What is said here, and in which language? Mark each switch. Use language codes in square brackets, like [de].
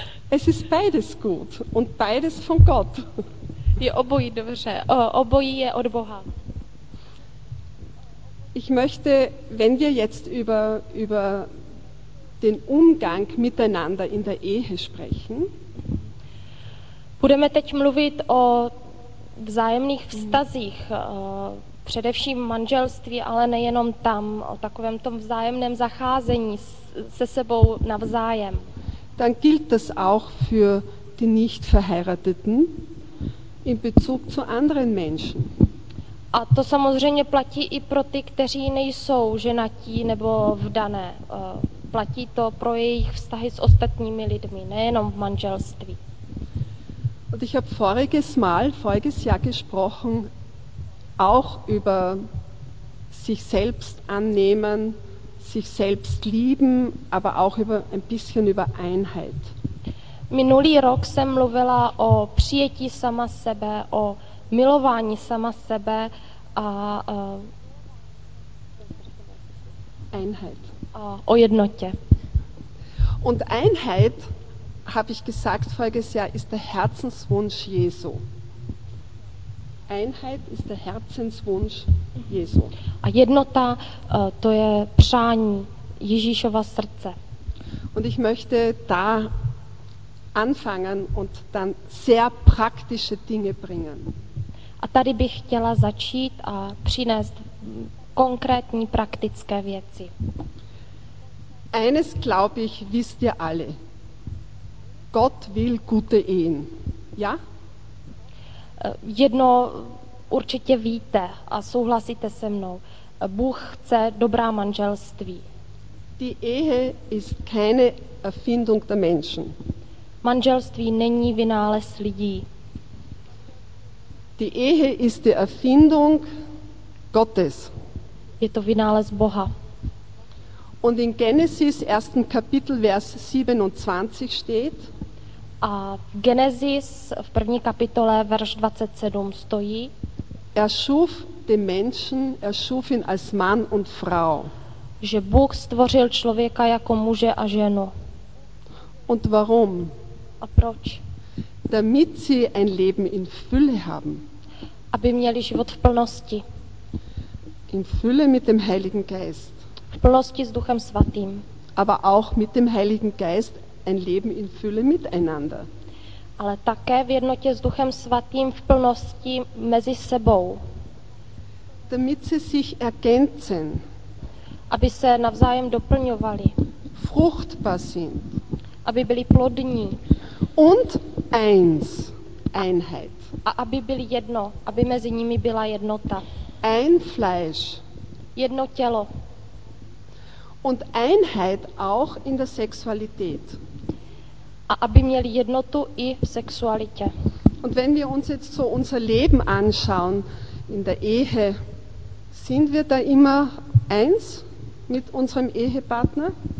[de] Es ist beides gut und beides von Gott. [cs] Je obojí dobře. Obojí je od Boha. [de] Ich möchte, wenn wir jetzt über den Umgang miteinander in der Ehe sprechen. [cs] Budeme teď mluvit o vzájemných vztazích, především manželství, ale nejenom tam, o takovém tom vzájemném zacházení se sebou navzájem. [de] Dann gilt das auch für die nicht verheirateten in Bezug zu anderen Menschen. [cs] A to samozřejmě platí i pro ty, kteří nejsou ženatí nebo vdané. Platí to pro jejich vztahy s ostatními lidmi, nejenom v manželství. [de] Und ich habe voriges Jahr gesprochen auch über sich selbst annehmen, sich selbst lieben, aber auch über ein bisschen über Einheit. [cs] Minulý rok jsem mluvila o přijetí sama sebe, o milování sama sebe a [de] Einheit. [cs] O jednotě. [de] Und Einheit, habe ich gesagt voriges Jahr, ist der Herzenswunsch Jesu. Einheit ist der Herzenswunsch Jesu. [cs] A jednota, to je přání Ježíšova srdce. [de] Und ich möchte da anfangen und dann sehr praktische Dinge bringen. [cs] A tady bych chtěla začít a přinést konkrétní praktické věci. [de] Eines glaube ich, wisst ihr alle. Gott will gute Ehen. Ja? [cs] Jedno určitě víte a souhlasíte se mnou. Bůh chce dobrá manželství. [de] Die Ehe ist keine Erfindung der Menschen. [cs] Manželství není vynález lidí. [de] Die Ehe ist die Erfindung Gottes. [cs] Je to vynález Boha. [de] Und in Genesis 1. Kapitel Vers 27 steht. [cs] A v Genesis v první kapitole verš 27 stojí. [de] Er schuf den Menschen, er schuf ihn als Mann und Frau. [cs] Že Bůh stvořil člověka jako muže a ženu. [de] Und warum? [cs] A proč? [de] Damit sie ein Leben in Fülle haben. [cs] Aby měli život v plnosti. [de] In Fülle mit dem Heiligen Geist. [cs] V plnosti s Duchem Svatým. [de] Aber auch mit dem Heiligen Geist ein Leben in Fülle miteinander. [cs] Ale také v jednotě s Duchem Svatým v plnosti mezi sebou. [de] Damit sie sich ergänzen. [cs] Aby se navzájem doplňovali. [de] Fruchtbar sind. [cs] Aby byli plodní. [de] Und eins. Einheit. [cs] A aby byli jedno, aby mezi nimi byla jednota. [de] Ein Fleisch. [cs] Jedno tělo. [de] Und Einheit auch in der Sexualität. [cs] A aby měli jednotu i v sexualitě. [de] Und wenn wir uns jetzt so unser Leben anschauen in der Ehe, sind wir da immer eins mit unserem Ehepartner?